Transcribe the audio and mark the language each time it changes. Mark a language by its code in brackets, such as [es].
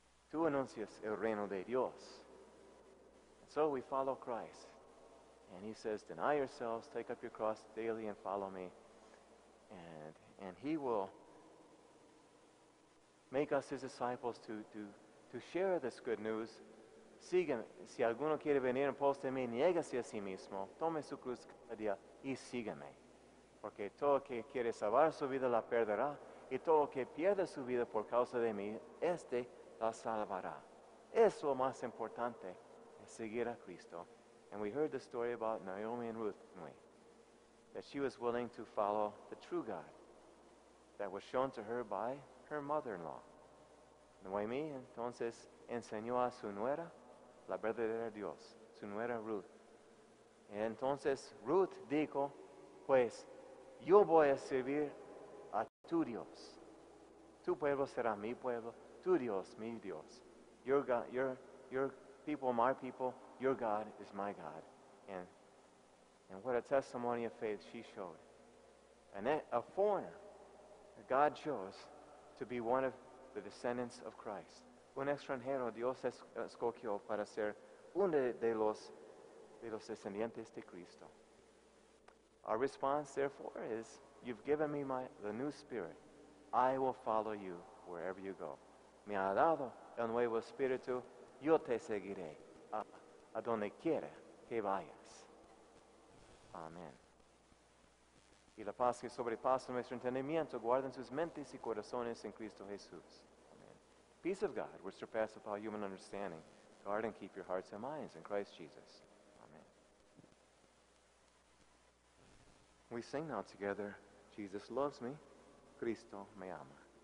[es] Tú anuncias el reino de Dios. [en] So we follow Christ. And he says, deny yourselves, take up your cross daily and follow me. And he will make us his disciples to share this good news. [es] Sígueme. Si alguno quiere venir en pos de mí, niégase a sí mismo, tome su cruz cada día y sígueme. Porque todo que quiere salvar su vida la perderá, y todo que pierde su vida por causa de mí, este la salvará. Es lo más importante. Seguir a Cristo. [en] And we heard the story about Naomi and Ruth, didn't we? That she was willing to follow the true God that was shown to her by her mother-in-law. [es] Naomi, entonces, enseñó a su nuera la verdadera Dios, su nuera Ruth. Entonces, Ruth dijo, pues, yo voy a servir a tu Dios. Tu pueblo será mi pueblo, tu Dios, mi Dios. [en] Your people, my people, your God is my God. And what a testimony of faith she showed. And a foreigner, God chose to be one of the descendants of Christ. [es] Un extranjero, Dios escogió para ser uno de los descendientes de Cristo. [en] Our response, therefore, is, you've given me the new spirit. I will follow you wherever you go. [es] Me ha dado el nuevo espíritu. Yo te seguiré a donde quiera que vayas. Amén. Y la paz que sobrepasa nuestro entendimiento guarden sus mentes y corazones en Cristo Jesús. Amén. [en] Peace of God, which surpasses all human understanding, guard and keep your hearts and minds in Christ Jesus. Amén. We sing now together, Jesus loves me, [es] Cristo me ama.